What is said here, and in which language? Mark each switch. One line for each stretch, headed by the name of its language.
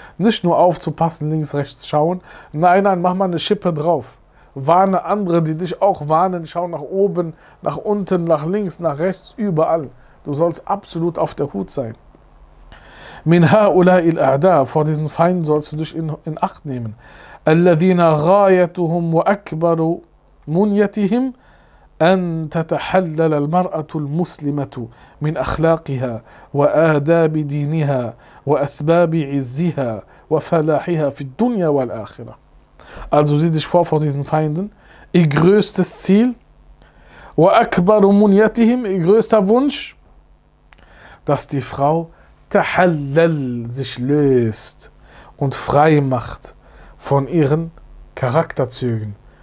German: Nicht nur aufzupassen, links, rechts schauen. Nein, nein, mach mal eine Schippe drauf. Warne andere, die dich auch warnen. Schau nach oben, nach unten, nach links, nach rechts, überall. Du sollst absolut auf der Hut sein.
Arabic: مِنْ هَؤُلَاءِ الْأَعْدَاءِ.
German: Vor diesen Feinden sollst du dich in Acht nehmen.
Arabic: الذين غايتهم وأكبر منيتهم أن تتحلل المرأة المسلمة من أخلاقها وآداب دينها وأسباب عزها وفلاحها في الدنيا والآخرة.
German: Also sieh dich vor diesen Feinden. Ihr größtes Ziel,
Arabic: وأكبر منيتهم,
German: ihr größter Wunsch, dass die Frau تحلل, sich löst und frei macht von ihren Charakterzügen,